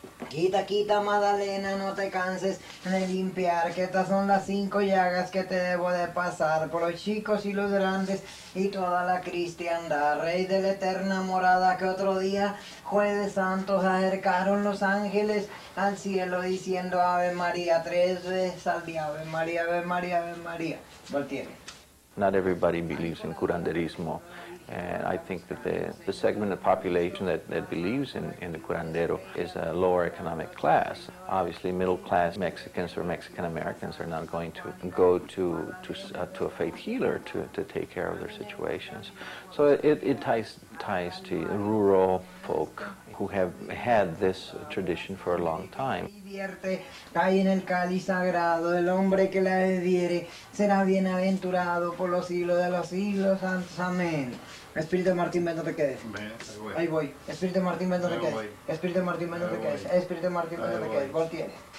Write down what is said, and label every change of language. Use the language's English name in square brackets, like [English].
[Spanish] Quita, quita, Magdalena, no te canses de limpiar, que estas son las cinco llagas que te debo de pasar, por los chicos y los grandes y toda la cristiandad. Rey de la eterna morada, que otro día, jueves santos, acercaron los ángeles al cielo diciendo Ave María tres veces al día, Ave María, Ave María, Ave María. Voltiere. [English] Not everybody believes in curanderismo. And I think that the segment of the population that believes in the curandero is a lower economic class. Obviously, middle class Mexicans or Mexican Americans are not going to go to a faith healer to take care of their situations. So it ties to rural folk who have had this tradition for a long time. [Spanish] Cae en el cáliz sagrado, el hombre que la bebiere será bienaventurado por los siglos de los siglos. Amén. Espíritu de Martín, ven, no te quedes. Ven, ahí voy. Ahí voy. Espíritu de Martín, ven, no te quedes. Espíritu de Martín, ven, no te quedes. Espíritu de Martín, ven, no te quedes. Voltiere.